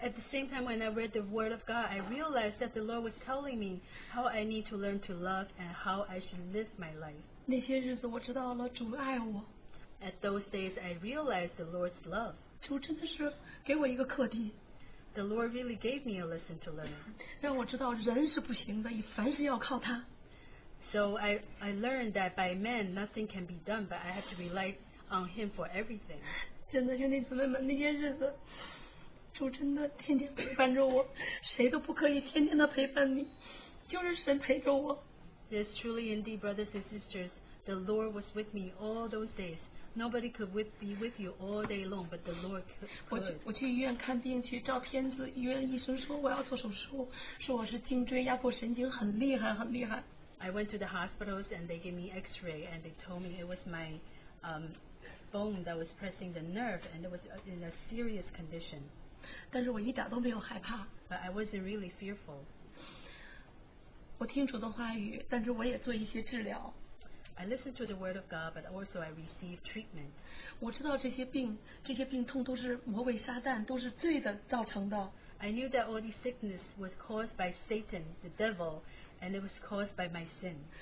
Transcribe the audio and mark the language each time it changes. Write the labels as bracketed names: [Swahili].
[English] at the same time, when I read the word of God, I realized that the Lord was telling me how I need to learn to love and how I should live my life. [Chinese] 那些日子我知道了，主爱我。 [English] At those days, I realized the Lord's love. [Chinese] 主真的是给我一个课题。 [English] The Lord really gave me a lesson to learn. [Chinese] 让我知道人是不行的，凡事要靠他。 [English] So I learned that by man nothing can be done, but I have to rely on Him for everything. [Chinese] 真的兄弟姊妹们，那些日子，主真的天天陪伴着我，谁都不可以天天的陪伴你，就是神陪着我。 [English] Yes, truly indeed, brothers and sisters, The Lord was with me all those days. Nobody could be with you all day long, but the Lord could. [Chinese] 我去医院看病去照片子，医院医生说我要做手术，说我是颈椎压迫神经很厉害很厉害。 [English] I went to the hospitals and they gave me X-ray and they told me it was my bone that was pressing the nerve and it was in a serious condition. [Chinese] 但是我一点都没有害怕。 [English] But I wasn't really fearful. [Chinese] 我听主的话语，但是我也做一些治疗。 [English] I listened to the word of God, but also I received treatment. [Chinese] 我知道这些病，这些病痛都是魔鬼撒旦，都是罪的造成的。 [English] I knew that all these sickness was caused by Satan, the devil, and it was caused by my sin.